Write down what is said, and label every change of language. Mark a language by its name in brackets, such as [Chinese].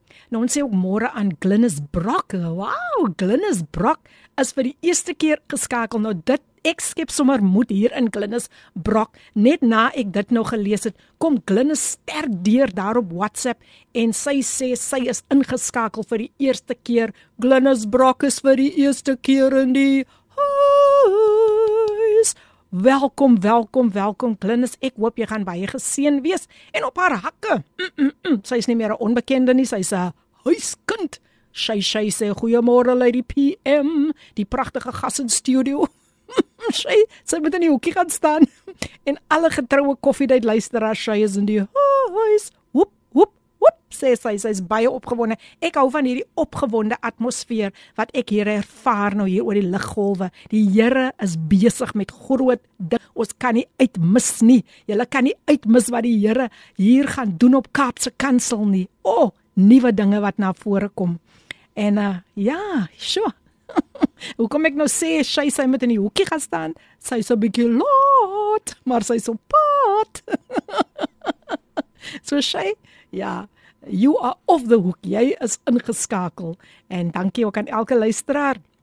[Afrikaans] Nou ons sê ook môre aan Glynis Brock. Wow, Glynis Brock is vir die eerste keer geskakel. Nou dit, ek skep sommer moed hier in Glynis Brock. Net na ek dit nou gelees het, kom Glynis sterk deur daar op WhatsApp en sy sê sy is ingeskakel vir die eerste keer. Glynis Brock is vir die eerste keer in die huis. Welkom, welkom, welkom, Glynis. Ek hoop jy gaan baie geseën wees. En op haar hakke. Sy is nie meer 'n onbekende nie, sy is 'n huiskind. Sy sê goeiemôre Lady PM, die pragtige gas in studio. sy moet in die hoekie gaan staan. En alle getroue koffiedייט luisteraars, sy is in die huis. Hoep, hoep, hoep, sê sy. Sy is baie opgewonde. Ek hou van hierdie opgewonde atmosfeer wat ek hier ervaar nou hier oor die liggolwe. Die Here is besig met groot ding. Ons kan nie uitmis nie. Julle kan nie uitmis wat die Here hier gaan doen op Kaapse Kansel nie. O, oh, nuwe dinge wat na vore kom. En ja, sure. Hoekom ek nou sê, sy moet in die hoekie gaan staan. Sy is so 'n bietjie laat, maar sy is so pat. So sy, ja, [English] you are off the hook. [Afrikaans] Jy is ingeskakel. En dankie ook aan elke luisteraar.